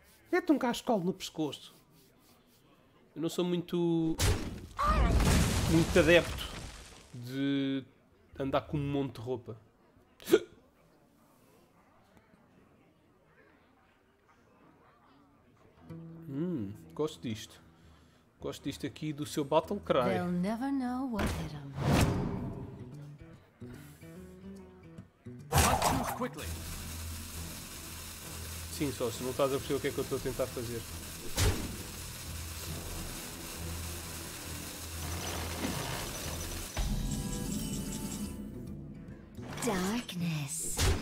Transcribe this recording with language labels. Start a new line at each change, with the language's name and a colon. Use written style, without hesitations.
Portuguese: Mete um cascolo no pescoço. Eu não sou muito adepto de andar com um monte de roupa. Gosto disto. Gosto disto aqui do seu Battle Cry.
English: They'll never know what hit them.
Portuguese: Sim, só se não estás a perceber o que é que eu estou a tentar fazer.
English: Darkness.